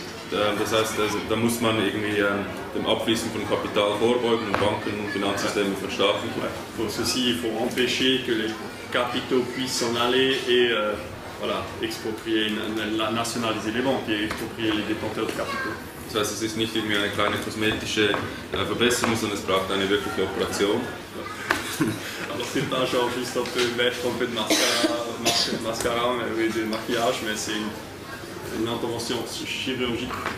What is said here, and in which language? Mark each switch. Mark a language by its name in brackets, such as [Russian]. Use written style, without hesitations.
[German] Das heißt, da muss man irgendwie dem Abfließen von Kapital vorbeugen und Banken und Finanzsysteme verstärken. [French] Pour ceci, il faut empêcher que les capitaux puissent s'en aller et voilà, exproprier, nationaliser les banques et exproprier les détenteurs de capitaux. [German] Das heißt, es ist nicht irgendwie eine kleine kosmetische Verbesserung, sondern es braucht eine wirkliche Operation. [French] Alors, c'est pas genre juste un peu mettre un peu de mascara, mais oui, de maquillage, mais c'est une intervention chirurgique.